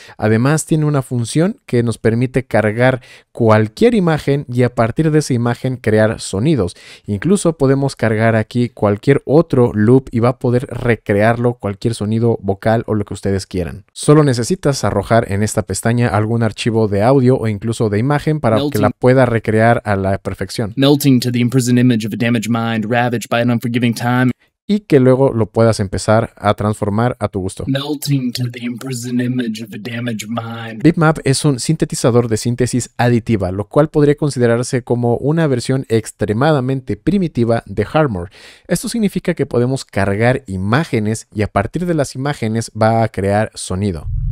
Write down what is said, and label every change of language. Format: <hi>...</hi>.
<es>Además, tiene una función que nos permite cargar cualquier imagen y a partir de esa imagen crear sonidos. Incluso podemos cargar aquí cualquier otro loop y va a poder recrearlo cualquier sonido vocal o lo que ustedes quieran. Solo necesitas arrojar en esta pestaña algún archivo de audio o incluso de imagen para melting, que la pueda recrear a la perfección.</es> <en>Melting to the imprisoned image of a damaged mind, ravaged by an unforgiving time.</en> <es>y que luego lo puedas empezar a transformar a tu gusto.</es> <en>Melting to the imprisoned image of a damaged mind.</en> <es>Bitmap es un sintetizador de síntesis aditiva, lo cual podría considerarse como una versión extremadamente primitiva de Hardmore. Esto significa que podemos cargar imágenes y a partir de las imágenes va a crear sonido.</es>